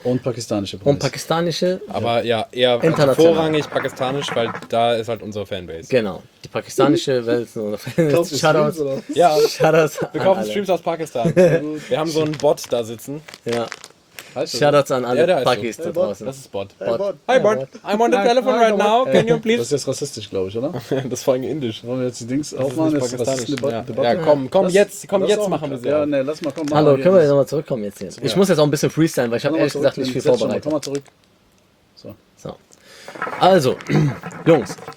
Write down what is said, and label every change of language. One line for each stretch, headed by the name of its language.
German: Und pakistanische Promis. Und pakistanische. Aber ja, eher vorrangig pakistanisch, weil da ist halt unsere Fanbase. Genau. Die pakistanische Welt. Shoutouts. Ja, wir kaufen Streams aus Pakistan. Wir haben so einen Bot da sitzen. Ja. Shoutouts an alle Pakis da draußen. Das ist Bot.
English: Hi Bot, I'm on the telephone right now, can you please?
German: Das ist jetzt rassistisch, glaube ich, oder? Das ist vor allem indisch. Wollen wir jetzt die Dings aufmachen? Das ist pakistanisch. Ja, komm jetzt machen wir sie. Ja, nee, lass mal, komm. Hallo, können wir jetzt nochmal zurückkommen jetzt? Ich muss jetzt auch ein bisschen freestylen, weil ich habe ehrlich gesagt nicht viel vorbereitet. Komm mal zurück. So. Also, Jungs.